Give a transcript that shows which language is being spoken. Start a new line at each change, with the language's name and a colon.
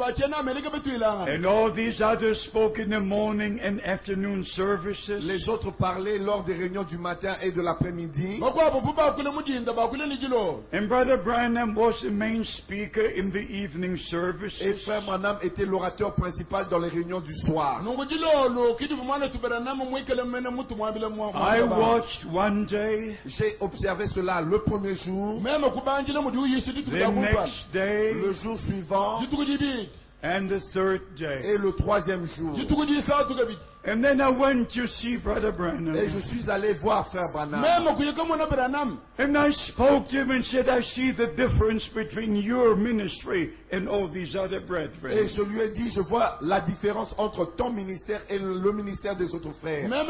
English: And all these others spoke in the morning and afternoon services.
French: Les autres parlaient lors des réunions du matin et de l'après-midi.
English: And Brother Branham was the main speaker in the evening services.
French: Et Frère Branham était l'orateur principal dans les réunions du soir.
English: I watched one day.
French: J'ai observé cela le premier jour.
English: The next day,
French: le jour suivant,
English: and the third day,
French: et le troisième jour.
English: And then I went to see Brother Branham.
French: Et je suis allé voir Frère Branham.
English: And I spoke to him and said, I see the difference between your ministry and all these other brethren.
French: Et je lui ai dit, je vois la différence entre ton ministère et le ministère des autres frères.